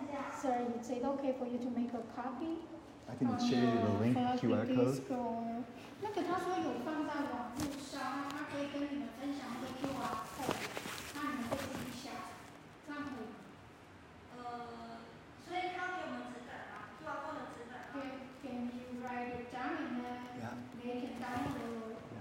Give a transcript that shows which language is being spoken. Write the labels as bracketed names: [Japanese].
[English] Sir, is it okay for you to make a copy? I can share you the link, QR code. [Chinese] 那个他说有放在网络上，他可以跟你们分享一个 QR code， 那你们可以一下，这样可以吗？所以他给我们纸本吗 ？QR code 的纸本。 [English] Can you write it down and then make it download?